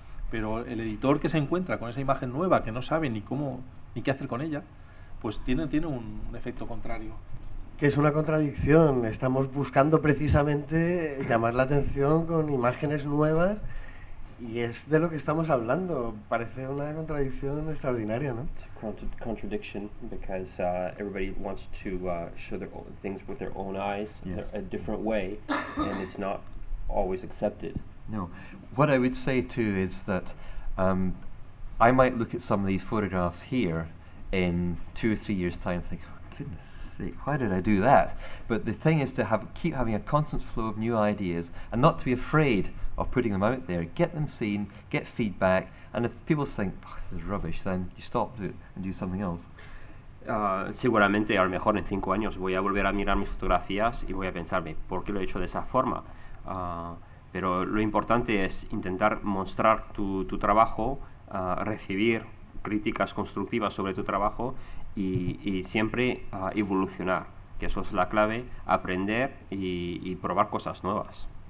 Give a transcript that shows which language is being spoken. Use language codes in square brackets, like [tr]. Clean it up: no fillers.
[es] Pero el editor que se encuentra con esa imagen nueva, que no sabe ni cómo ni qué hacer con ella, pues tiene un efecto contrario. Que es una contradicción. Estamos buscando precisamente llamar la atención con imágenes nuevas y es de lo que estamos hablando. Parece una contradicción extraordinaria, ¿no? [en] Contradiction because everybody wants to show their own things with their own eyes, Yes. a different way, and it's not always accepted. No. What I would say too is that I might look at some of these photographs here in 2 or 3 years' time and think, oh, goodness sake, why did I do that? But the thing is to keep having a constant flow of new ideas and not to be afraid of putting them out there. Get them seen, get feedback, and if people think, oh, this is rubbish, then you stop it and do something else. [es] Seguramente, a lo mejor en 5 años voy a volver a mirar mis fotografías y voy a pensarme, ¿por qué lo he hecho de esa forma? pero lo importante es intentar mostrar tu trabajo, recibir críticas constructivas sobre tu trabajo y siempre evolucionar, que eso es la clave, aprender y probar cosas nuevas.